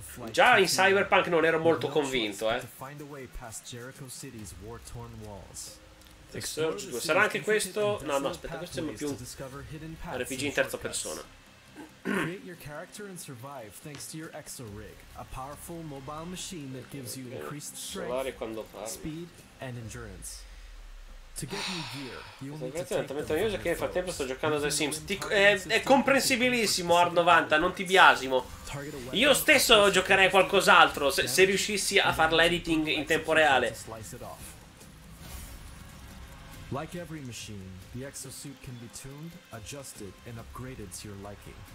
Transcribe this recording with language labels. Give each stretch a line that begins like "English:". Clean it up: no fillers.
Italian: Già in Cyberpunk non ero molto convinto, eh.
English: The Surge 2.
Italian: Sarà anche questo? No, aspetta, questo sembra più un RPG in terza persona.
English: Create your character and survive thanks to your Exorig, a powerful mobile machine that gives you increased strength, speed and endurance. To get new gear, you'll need to take them from your foes.
Italian: Nel frattempo sto giocando a The Sims. È comprensibilissimo, Ard90, non ti biasimo. Io stesso giocherei qualcos'altro se riuscissi a fare l'editing in tempo reale.
English: Like every machine, the Exosuit can be tuned, adjusted and upgraded to your liking.